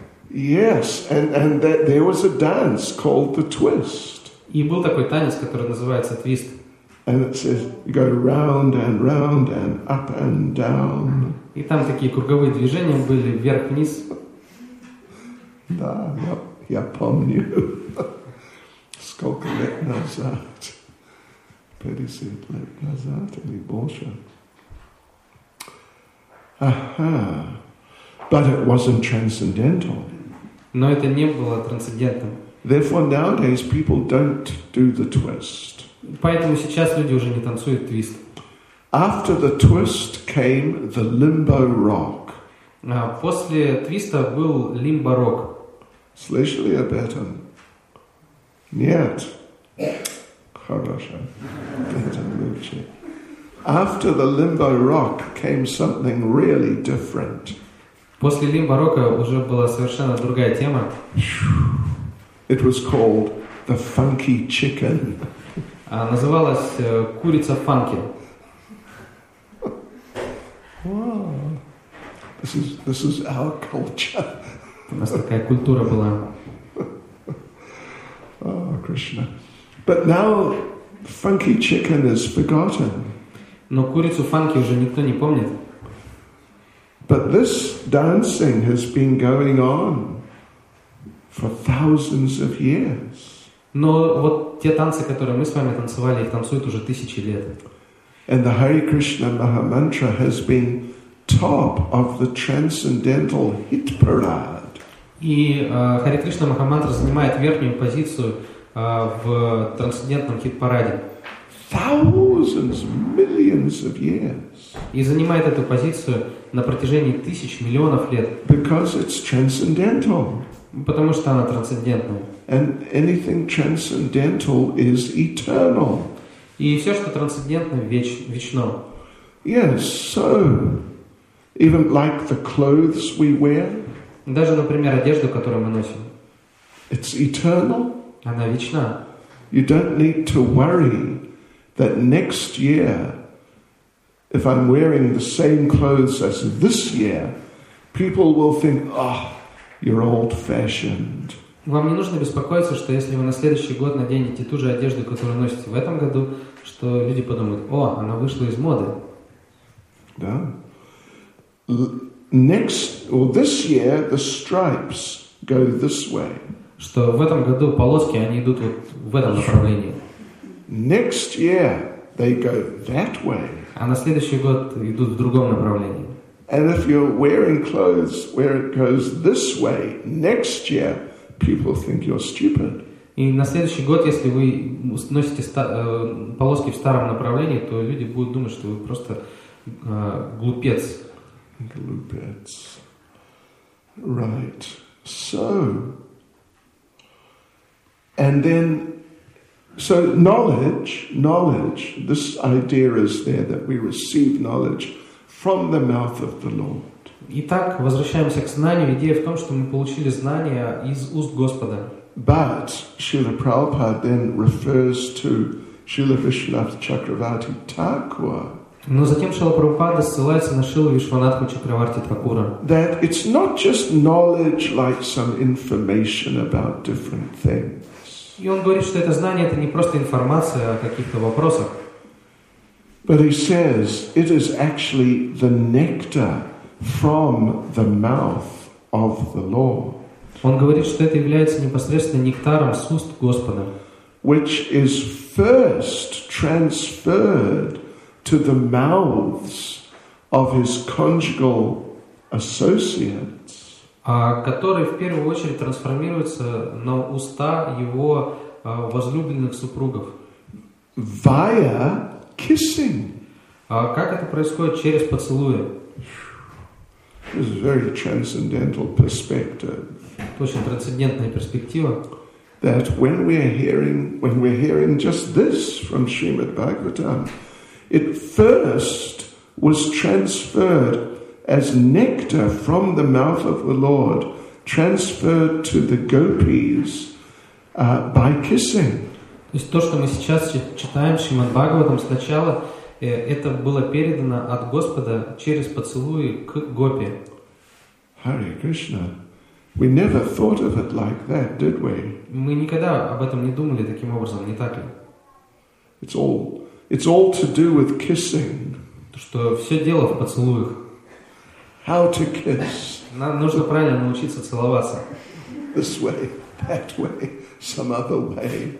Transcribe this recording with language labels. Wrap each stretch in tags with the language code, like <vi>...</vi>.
<en>Yes, and that there was a dance called the twist.</en> <ru>И был такой танец, который называется твист.</ru> <en>And it says you go round and round and up and down.</en> <ru>И там такие круговые движения были вверх вниз. Да, я помню. Сколько лет назад? 50 лет назад или больше.</ru> <en>Ага. But it wasn't transcendental.</en> <ru>Но это не было трансцендентным.</ru> <en>Therefore, nowadays people don't do the twist.</en> <ru>Поэтому сейчас люди уже не танцуют твист.</ru> <en>After the twist came the limbo rock.</en> <ru>А после твиста был лимбо рок. Слышали об этом? Нет. Хорошо. Это лучше.</ru> <en>After the limbo rock came something really different.</en> <ru>После лимбо-рока уже была совершенно другая тема.</ru> <en>It was called the funky chicken.</en> <ru>Называлась курица фанки.</ru> <en>Wow. This is our culture.</en> <ru>У нас такая культура была.</ru> <en>Oh, Krishna. But now funky chicken is forgotten.</en> <ru>Но курицу фанки уже никто не помнит.</ru> <en>But this dancing has been going on for thousands of years.</en> <ru>Но вот те танцы, которые мы с вами танцевали, их танцуют уже тысячи лет.</ru> <en>And the Hare Krishna Maha Mantra has been top of the transcendental hit parade.</en> <ru>И Hare Krishna Maha Mantra занимает верхнюю позицию в трансцендентном хит-параде.</ru> <en>Thousands, millions of years.</en> <ru>И занимает эту позицию на протяжении тысяч, миллионов лет.</ru> <en>Because it's transcendental.</en> <ru>Потому что она трансцендентна.</ru> <en>And anything transcendental is eternal.</en> <ru>И все, что трансцендентно, вечно.</ru> <en>Yes, so even like the clothes we wear.</en> <ru>Даже, например, одежду, которую мы носим.</ru> <en>It's eternal.</en> <ru>Она вечна.</ru> <en>You don't need to worry that next year, if I'm wearing the same clothes as this year, people will think, "Oh, you're old-fashioned."</en> <ru>Вам не нужно беспокоиться, что если вы на следующий год наденете ту же одежду, которую носите в этом году, что люди подумают: "О, она вышла из моды."</ru> <en>Да. Next, or this year, the stripes go this way.</en> <ru>Что в этом году полоски они идут вот в этом направлении.</ru> <en>Next year they go that way.</en> <ru>А на следующий год идут в другом направлении.</ru> <en>And if you're wearing clothes where it goes this way, next year people think you're stupid.</en> <ru>И на следующий год, если вы носите полоски в старом направлении, то люди будут думать, что вы просто глупец. Глупец.</ru> <en>Right. So. And then, so knowledge, this idea is there that we receive knowledge from the mouth of the Lord.</en> <ru>Итак, возвращаемся к знанию. Идея в том, что мы получили знания из уст Господа.</ru> <en>But Srila Prabhupada then refers to Srila Vishwanatha Chakravarti Thakura.</en> <ru>Но затем Шрила Прабхупада ссылается на Шрилу Вишванатху Чакраварти Тхакура.</ru> <en>That it's not just knowledge like some information about different things.</en> <ru>И он говорит, что это знание это не просто информация о каких-то вопросах.</ru> <en>But he says it is actually the nectar from the mouth of the Lord.</en> <ru>Он говорит, что это является непосредственно нектаром с уст Господа.</ru> <en>Which is first transferred to the mouths of his conjugal associates.</en> <ru>А который в первую очередь трансформируется на уста его возлюбленных супругов.</ru> <en>Via kissing.</en> <ru>А как это происходит через поцелуи?</ru> <en>This is a very transcendental perspective.</en> <ru>Очень трансцендентная перспектива.</ru> <en>That when we're hearing just this from Srimad Bhagavatam, it first was transferred as nectar from the mouth of the Lord, transferred to the gopis by kissing.</en> <ru>То есть то, что мы сейчас читаем Шримад Бхагаватам, сначала это было передано от Господа через поцелуи к гопи.</ru> <en>Hare Krishna. We never thought of it like that, did we?</en> <ru>Мы никогда об этом не думали таким образом, не так ли?</ru> <en>It's all to do with kissing.</en> <ru>То, что все дело в поцелуях.</ru> <en>How to kiss.</en> <ru>Нам нужно правильно научиться целоваться.</ru> <en>This way, that way, some other way.</en>